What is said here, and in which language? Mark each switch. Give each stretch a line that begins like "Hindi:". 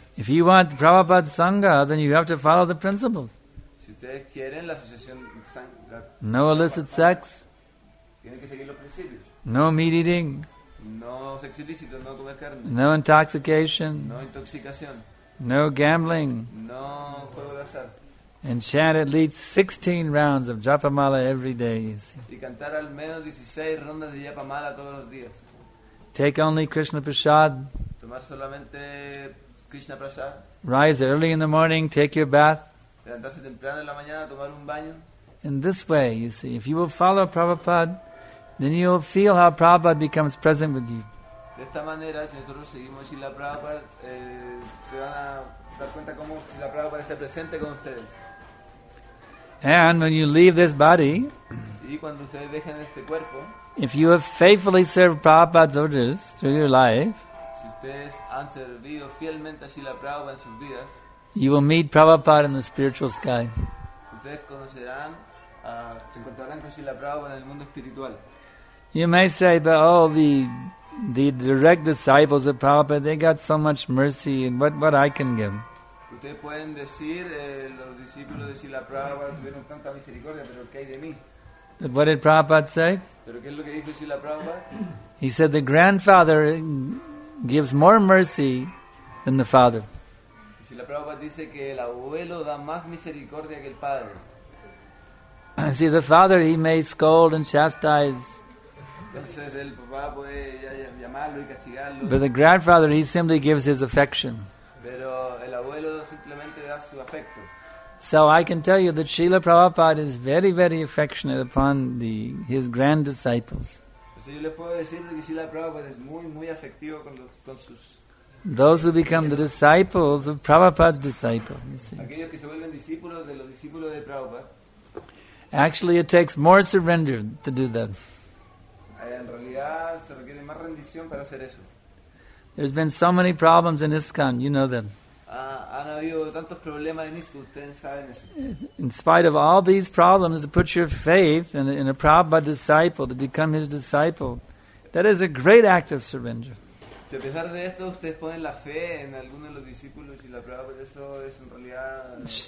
English: If you want Prabhupada Sangha, then you have to follow the principles.
Spanish: Si ustedes quieren la asociación Sangha.
English: No illicit sex.
Spanish: Tienen que seguir los principios.
English: No meat eating.
Spanish: No sexo ilícito, no comer carne.
English: No intoxication.
Spanish: No intoxicación.
English: No gambling.
Spanish: No juego de azar.
English: And chant at least 16 rounds of Japamala every day, you see.
Spanish: Y cantar al menos 16 rondas de Japamala todos los días.
English: Take only Krishna Prasad.
Spanish: Tomar solamente Krishna Prasad.
English: Rise early in the morning, take your bath.
Spanish: Levantarse temprano en la mañana, tomar un baño.
English: In this way, you see, if you will follow Prabhupada, then you will feel how Prabhupada becomes present with you.
Spanish: De esta manera, si nosotros seguimos Srila Prabhupada, se van a dar cuenta cómo Srila Prabhupada está presente con ustedes.
English: And when you leave this body,
Spanish: y cuando ustedes dejen este cuerpo,
English: if you have faithfully served Prabhupada's orders through your life,
Spanish: si ustedes han servido fielmente a Srila Prabhupada en sus vidas,
English: you will meet Prabhupada in the spiritual sky.
Spanish: Ustedes conocerán, se encontrarán con Srila Prabhupada en el mundo espiritual.
English: You may say, but all the direct disciples of Prabhupada, they got so much mercy, and what I can give?
Spanish: Ustedes pueden decir, los discípulos de Srila Prabhupada tuvieron tanta misericordia, pero ¿qué hay de mí?
English: But what did Prabhupada say?
Spanish: ¿Pero qué es lo que dijo Srila Prabhupada?
English: He said the grandfather gives more mercy than the father.
Spanish: Srila Prabhupada dice que el abuelo da más misericordia que el padre.
English: See, the father, he may scold and chastise.
Spanish: Entonces el papá puede llamarlo y castigarlo.
English: But the grandfather, he simply gives his affection.
Spanish: Pero el abuelo simplemente da su afecto.
English: So I can tell you that Srila Prabhupada is very, very affectionate upon his grand disciples.
Spanish: Entonces yo les puedo decir que Srila Prabhupada es muy, muy afectivo con sus.
English: Those who become the disciples of Prabhupada's disciples.
Spanish: Aquellos que se vuelven discípulos de los discípulos de Prabhupada.
English: Actually, it takes more surrender to do that.
Spanish: En realidad se requiere más rendición para hacer eso.
English: There's been so many problems in ISKCON, you know them.
Spanish: Han habido tantos problemas en ISKCON, ustedes saben eso.
English: In spite of all these problems, to put your faith in a Prabhupada disciple, to become his disciple, that is a great act of surrender.
Spanish: Si a pesar de esto ustedes ponen la fe en alguno de los discípulos y la Prabhupada, eso es en realidad